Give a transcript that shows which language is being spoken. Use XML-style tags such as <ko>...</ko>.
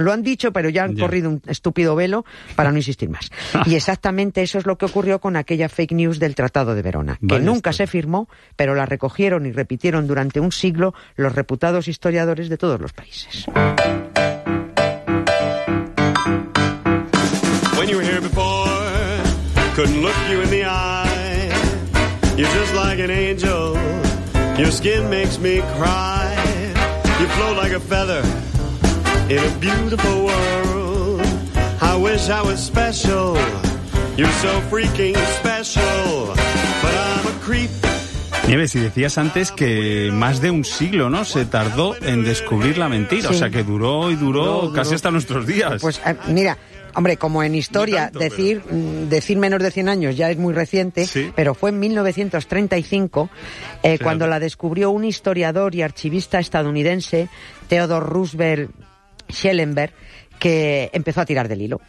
<es>Lo han dicho, pero ya han corrido un estúpido velo para no insistir más. Y exactamente eso es lo que ocurrió con aquella fake news del Tratado de Verona, que nunca se firmó, pero la recogieron y repitieron durante un siglo los reputados historiadores de todos los países.</es> <en>When you were here before, couldn't look you in the eye. You're just like an angel, your skin makes me cry. You float like a feather in a beautiful world. I wish I was special, you're so freaking special. But I'm a creep.</en> <es>Nieves, y decías antes que más de un siglo, ¿no?, se tardó en descubrir la mentira. Sí. O sea, que duró y duró, casi hasta nuestros días. Pues mira, hombre, como en historia, decir menos de 100 años ya es muy reciente, ¿sí?, pero fue en 1935 cuando la descubrió un historiador y archivista estadounidense, Theodore Roosevelt Schellenberg, que empezó a tirar del hilo.</es>